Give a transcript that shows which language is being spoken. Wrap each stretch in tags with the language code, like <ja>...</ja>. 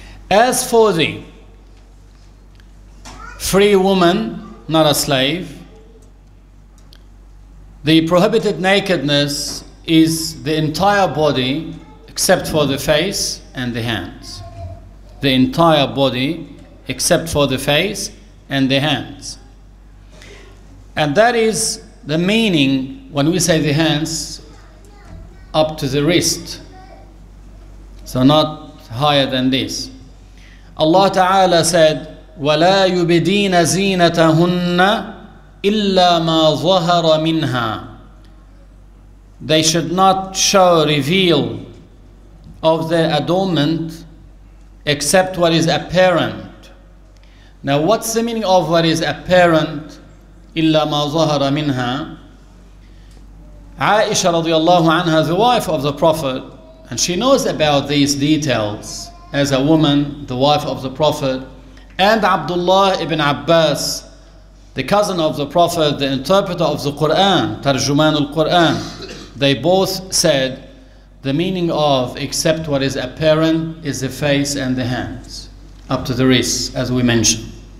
<en>As for the free woman, not a slave, the prohibited nakedness is the entire body except for the face and the hands. The entire body except for the face and the hands. And that is the meaning when we say the hands up to the wrist. So not higher than this. Allah Ta'ala said,</en> <ar>وَلَا يُبْدِينَ زِينَتَهُنَّ إِلَّا مَا ظَهَرَ مِنْهَا.</ar> <en>They should not show reveal of their adornment except what is apparent. Now, what's the meaning of what is apparent?</en> <ar>إِلَّا مَا ظَهَرَ مِنْهَا.</ar> <en>Aisha radiallahu anha, the wife of the Prophet, and she knows about these details as a woman, the wife of the Prophet, and Abdullah ibn Abbas, the cousin of the Prophet, the interpreter of the Qur'an, Tarjuman al-Qur'an, they both said the meaning of except what is apparent is the face and the hands, up to the wrists, as we mentioned.</en>